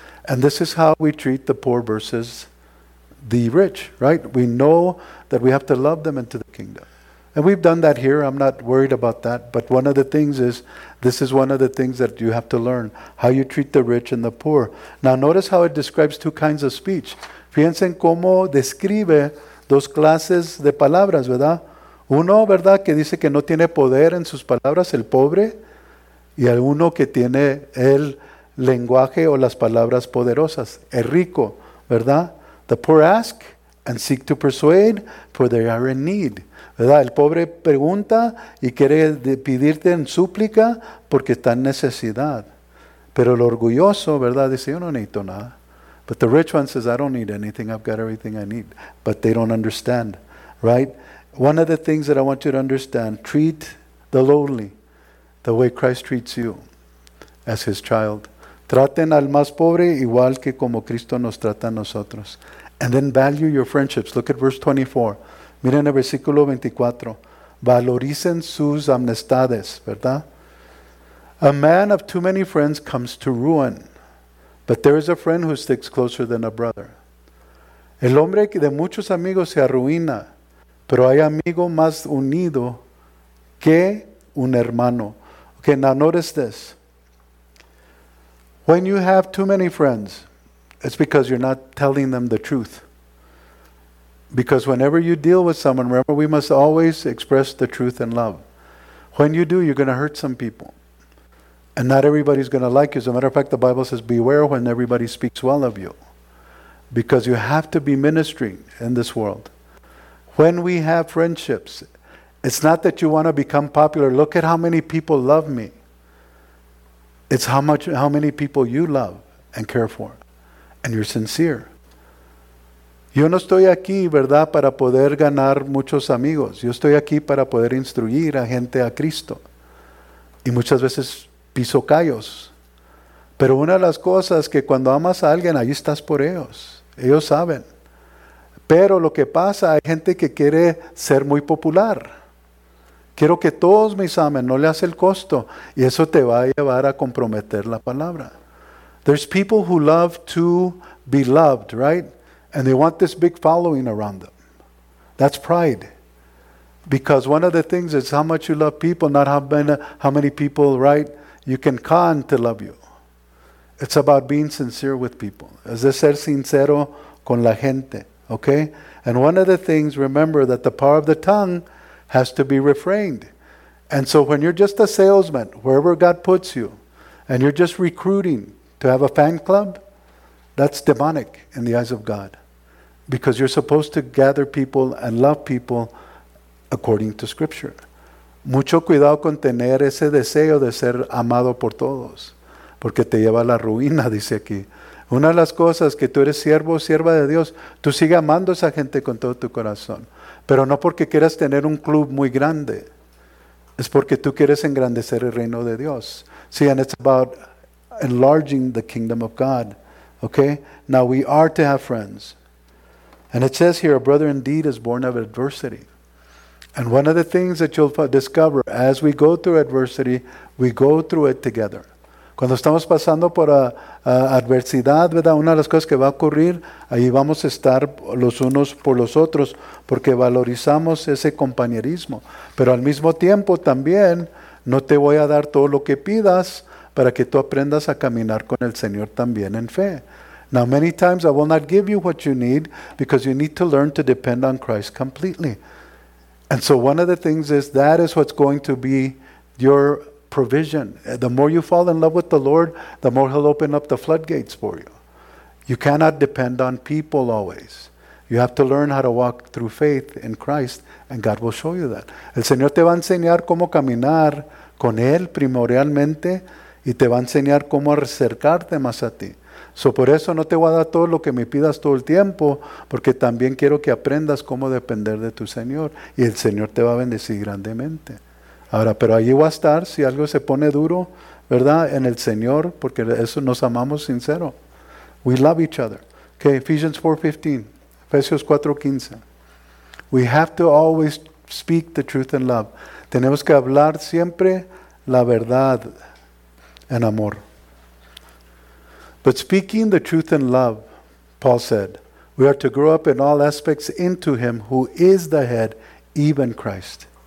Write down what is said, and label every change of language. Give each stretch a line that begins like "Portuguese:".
English: And this is how we treat the poor versus the rich, right? We know that we have to love them into the kingdom. And we've done that here. I'm not worried about that. But one of the things is, this is one of the things that you have to learn, how you treat the rich and the poor. Now, notice how it describes two kinds of speech.
Spanish: Piensen cómo describe dos clases de palabras, ¿verdad? Uno, ¿verdad?, que dice que no tiene poder en sus palabras, el pobre, y el uno que tiene el lenguaje o las palabras poderosas, el rico, ¿verdad?
English: The poor ask and seek to persuade, for they are in need.
Spanish: ¿Verdad? El pobre pregunta y quiere pedirte en súplica porque está en necesidad. Pero el orgulloso, ¿verdad?, dice, yo no necesito nada.
English: But the rich one says, I don't need anything. I've got everything I need. But they don't understand, right? One of the things that I want you to understand, treat the lowly the way Christ treats you as his child.
Spanish: Traten al más pobre igual que como Cristo nos trata a nosotros.
English: And then value your friendships. Look at verse 24.
Spanish: Miren el versículo 24. Valoricen sus amistades, ¿verdad?
English: A man of too many friends comes to ruin, but there is a friend who sticks closer than a brother.
Spanish: El hombre de muchos amigos se arruina, pero hay amigo más unido que un hermano.
English: Okay, now notice this. When you have too many friends, it's because you're not telling them the truth. Because whenever you deal with someone, remember, we must always express the truth in love. When you do, you're going to hurt some people. And not everybody's going to like you. As a matter of fact, the Bible says, beware when everybody speaks well of you. Because you have to be ministering in this world. When we have friendships, it's not that you want to become popular. Look at how many people love me. It's how many people you love and care for. And you're sincere.
Spanish: Yo no estoy aquí, ¿verdad?, para poder ganar muchos amigos. Yo estoy aquí para poder instruir a gente a Cristo. Y muchas veces piso callos. Pero una de las cosas que cuando amas a alguien, ahí estás por ellos. Ellos saben. Pero lo que pasa, hay gente que quiere ser muy popular. Quiero que todos me amen, no le hace el costo. Y eso te va a llevar a comprometer la palabra.
English: There's people who love to be loved, right? And they want this big following around them. That's pride. Because one of the things is how much you love people, not how many people, right, you can con to love you. It's about being sincere with people.
Spanish: Es de ser sincero con la gente.
English: Okay? And one of the things, remember that the power of the tongue has to be refrained. And so when you're just a salesman, wherever God puts you, and you're just recruiting to have a fan club, that's demonic in the eyes of God. Because you're supposed to gather people and love people according to Scripture.
Spanish: Mucho cuidado con tener ese deseo de ser amado por todos. Porque te lleva a la ruina, dice aquí. Una de las cosas que tú eres siervo o sierva de Dios, tú sigue amando a esa gente con todo tu corazón. Pero no porque quieras tener un club muy grande. Es porque tú quieres engrandecer el reino de Dios.
English: See, and it's about enlarging the kingdom of God. Okay? Now, we are to have friends. And it says here, a brother indeed is born of adversity. And one of the things that you'll discover as we go through adversity, we go through it together.
Spanish: Cuando estamos pasando por adversidad, ¿verdad?, una de las cosas que va a ocurrir, ahí vamos a estar los unos por los otros, porque valorizamos ese compañerismo. Pero al mismo tiempo también, no te voy a dar todo lo que pidas para que tú aprendas a caminar con el Señor también en fe.
English: Now, many times I will not give you what you need because you need to learn to depend on Christ completely. And so one of the things is that is what's going to be your provision. The more you fall in love with the Lord, the more he'll open up the floodgates for you. You cannot depend on people always. You have to learn how to walk through faith in Christ, and God will show you that.
Spanish: El Señor te va a enseñar cómo caminar con él primordialmente, y te va a enseñar cómo acercarte más a ti. So, por eso no te voy a dar todo lo que me pidas todo el tiempo, porque también quiero que aprendas cómo depender de tu Señor. Y el Señor te va a bendecir grandemente. Ahora, pero allí voy a estar si algo se pone duro, ¿verdad? En el Señor, porque eso nos amamos sincero.
English: We love each other. Okay, Ephesians 4:15. Efesios 4:15. We have to always speak the truth in love.
Spanish: Tenemos que hablar siempre la verdad en amor.
English: But speaking the truth in love, Paul said, we are to grow up in all aspects into him who is the head, even Christ.